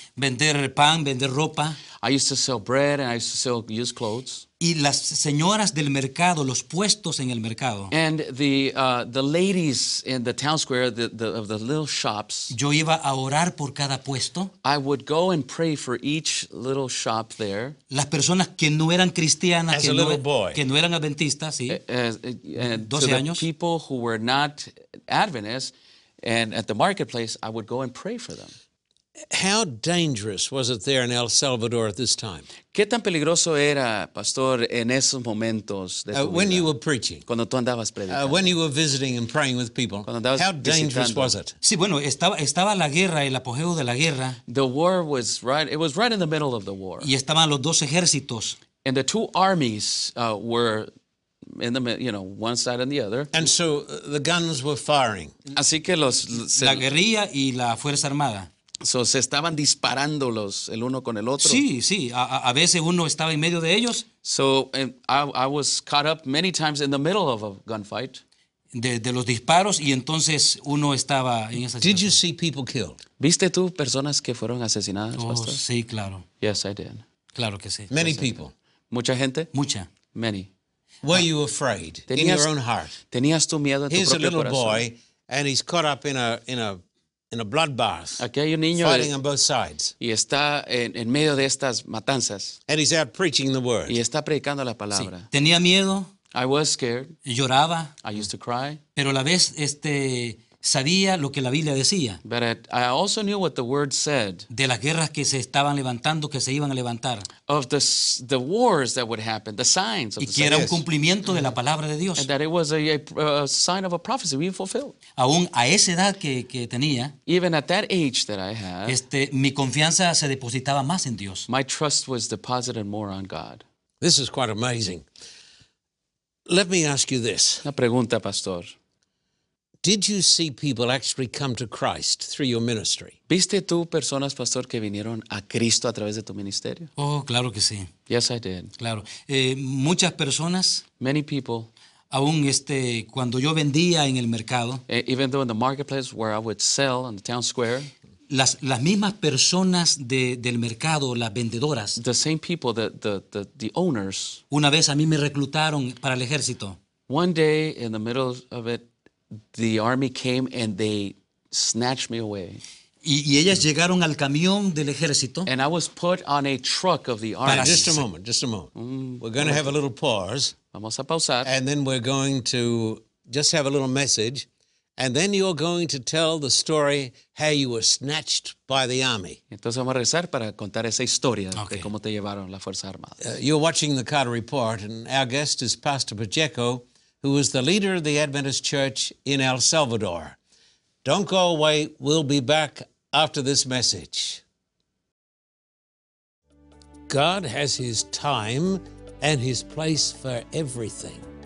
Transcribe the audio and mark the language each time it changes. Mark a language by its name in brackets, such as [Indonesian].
[Spanish] Vender pan, vender ropa. [English] I used to sell bread and I used to sell used clothes. [Spanish] Y las señoras del mercado, los puestos en el mercado. [English] And the ladies in the town square, of the little shops. [Spanish] Yo iba a orar por cada puesto. [English] I would go and pray for each little shop there. [Spanish] Las personas que no eran cristianas, que no eran adventistas, sí. 12 años. [English] The people who were not Adventists, and at the marketplace, I would go and pray for them. How dangerous was it there in El Salvador at this time? [Spanish] ¿Qué tan peligroso era, Pastor, en esos momentos de tu vida? [English] When you were preaching. [Spanish] Cuando tú andabas predicando. [English] When you were visiting and praying with people. [Spanish] Cuando andabas [English] How dangerous [Spanish] visitando. [English] Was it? [Spanish] Sí, bueno, estaba la guerra, el apogeo de la guerra. [English] The war was it was right in the middle of the war. [Spanish] Y estaban los dos ejércitos. [English] And the two armies were in the one side and the other. And so the guns were firing. [Spanish] Así que los la guerrilla y la fuerza armada. So, se estaban disparando los el uno con el otro. Sí, sí. A veces uno estaba en medio de ellos. [English] So, I was caught up many times in the middle of a gunfight. [Spanish] De los disparos y entonces uno estaba en esa situación. [English] Did you see people killed? [Spanish] ¿Viste tú personas que fueron asesinadas, oh, Pastor? Sí, claro. [English] Yes, I did. [Spanish] Claro que sí. [English] Many people. [Spanish] ¿Mucha gente? Mucha. [English] Many. Were you afraid in your own heart? [Spanish] ¿Tenías tú miedo en tu propio corazón? [English] Here's a little boy and he's caught up in a bloodbath. [Spanish] Aquí hay un niño [English] fighting on both sides. [Spanish] Y está en medio de estas matanzas. [English] And he's out preaching the word. [Spanish] Y está predicando la palabra. Sí. Tenía miedo. [English] I was scared. [Spanish] Lloraba. [English] I used to cry. [Spanish] Pero a la vez sabía lo que la Biblia decía. [English] But I also knew what the word said. [Spanish] De las guerras que se estaban levantando, que se iban a levantar. [English] Of the wars that would happen, the signs of [Spanish] y [English] the [Spanish] que era un cumplimiento de la palabra de Dios. [English] And that it was a sign of a prophecy being fulfilled. [Spanish] Aún a esa edad que tenía, [English] even at that age that I had, [Spanish] mi confianza se depositaba más en Dios. [English] My trust was deposited more on God. This is quite amazing. Let me ask you this. [Spanish] Una pregunta, Pastor. [English] Did you see people actually come to Christ through your ministry? [Spanish] ¿Viste tú personas, Pastor, que vinieron a Cristo a través de tu ministerio? Oh, claro que sí. [English] Yes, I did. [Spanish] Claro. Muchas personas. [English] Many people. [Spanish] Aún cuando yo vendía en el mercado. [English] Even though in the marketplace where I would sell on the town square. [Spanish] Las mismas personas del mercado, las vendedoras. [English] The same people, the owners. [Spanish] Una vez a mí me reclutaron para el ejército. [English] One day in the middle of it, the army came and they snatched me away. [Spanish] Y ellas llegaron al camión del ejército. [English] And I was put on a truck of the army. Just a moment. We're going to have a little pause. [Spanish] Vamos a pausar. [English] And then we're going to just have a little message. And then you're going to tell the story how you were snatched by the army. [Spanish] Entonces vamos a regresar para contar esa historia de cómo te llevaron la Fuerza Armada. [English] You're watching the Carter Report and our guest is Pastor Pacheco, who is the leader of the Adventist Church in El Salvador. Don't go away, we'll be back after this message. God has His time and His place for everything.